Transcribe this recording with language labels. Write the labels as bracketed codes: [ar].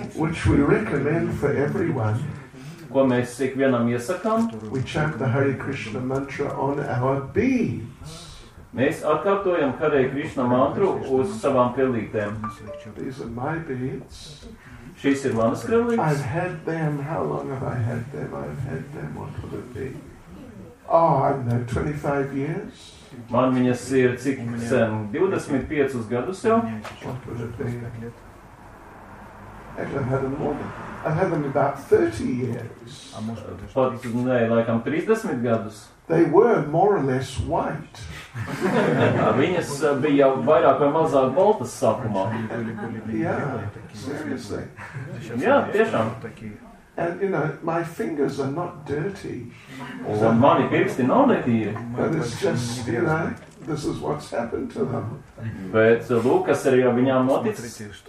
[en] which we recommend for everyone. [lv] Ko mēs ikvienam iesakām. [en] We chant the Hare Krishna mantra on our beads. [lv] Mēs atkārtojam Hare Krishna mantru uz savām pelītēm. [en] These are my beads. [lv] Šīs ir manas krellītes. [en] I've had them, how long have I had them? I've had them, what would it be? Oh, I don't know, 25 years. [lv] Man viņas ir cik sen, 25 gadus jau. [en] What would it be? Actually, I've had them more than I've had them about 30 years. [lv] Pat, nē, laikam 30 gadus. [en] They were more or less white. [lv] Viņas bija vairāk vai mazāk baltas sākumā. [en] Yeah, seriously. [lv] Jā, tiešām. [en] And, you know, my fingers are not dirty. [lv] Un mani pirksti nav netīri. [en] But it's just, you know, this is what's happened to them. [lv] Bet lūk, kas ir jau viņām noticis.